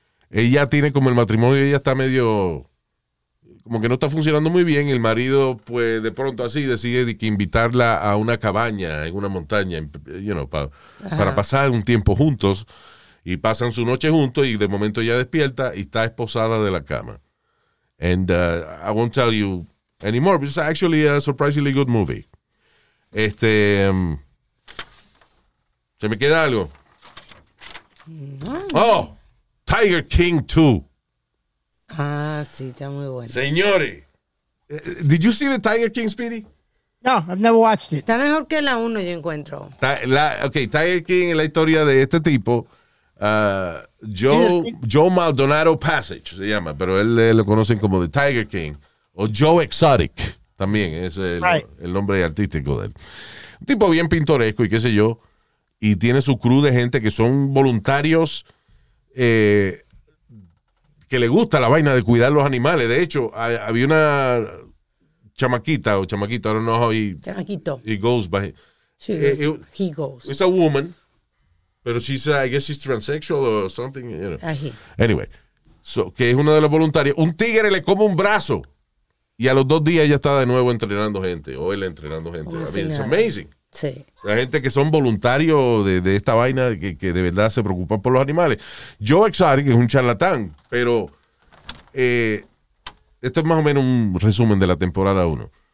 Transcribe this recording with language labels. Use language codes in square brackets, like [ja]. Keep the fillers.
[es] Ella tiene como el matrimonio, ella está medio. Como que no está funcionando muy bien. El marido, pues de pronto así, decide de que invitarla a una cabaña en una montaña, en- [en] you know, [es] pa- para pasar un tiempo juntos. Y pasan su noche juntos y de momento ella despierta y está esposada de la cama. [en] And uh, I won't tell you anymore, but it's actually a surprisingly good movie. [es] Este. um, ¿Se me queda algo? [en] Oh, Tiger King 2. [es] Ah, sí, está muy bueno. Señores. [en] Eh, Did you see the Tiger King, Speedy? No, I've never watched it. [es] Está mejor que la uno, yo encuentro. Ti- la- ok, Tiger King es la historia de este tipo. ah, Joe, Joe Maldonado Passage se llama, pero él eh, lo conocen como The Tiger King. O Joe Exotic también es el, Right. el nombre artístico de él. Un tipo bien pintoresco y qué sé yo. Y tiene su crew de gente que son voluntarios eh, que le gusta la vaina de cuidar los animales. De hecho, ha- había una chamaquita o chamaquita, ahora no, y, Chamaquito. [en] y goes by. She Eh, goes. eh, he goes. It's a woman, [es] pero [en] she's, uh, I guess she's transsexual or something. You know. Ah, he. Anyway, so, [es] que es una de las voluntarias. Un tigre le come un brazo y a los dos días ya está de nuevo entrenando gente o él entrenando gente. Como [en] I [es] si [en] mean, it's [es] nada. [en] amazing. [es] Sí. La gente que son voluntarios de, de esta vaina que, que de verdad se preocupan por los animales. Joe Exotic es un charlatán, pero eh, esto es más o menos un resumen de la temporada 1.